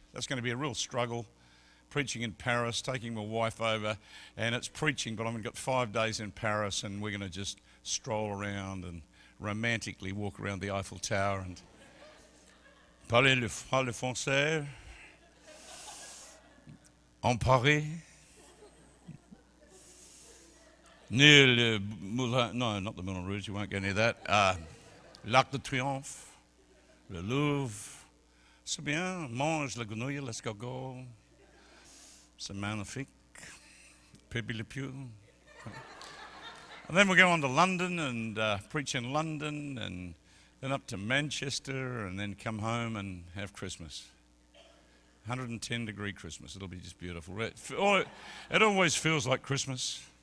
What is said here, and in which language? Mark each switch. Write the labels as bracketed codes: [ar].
[en] That's going to be a real struggle, preaching in Paris, taking my wife over, and it's preaching, but I've got 5 days in Paris, and we're going to just stroll around and romantically walk around the Eiffel Tower and [fr] parler le français en Paris. [en] Near the Moulin, no, not the Moulin Rouge, you won't go near that. [fr] Lac de Triomphe, Le Louvre, c'est bien, mange la grenouille, [en] let's go. [fr] C'est magnifique, Pepe Le Pew. [en] And then we'll go on to London and preach in London and then up to Manchester and then come home and have Christmas. 110 degree Christmas, it'll be just beautiful. It always feels like Christmas.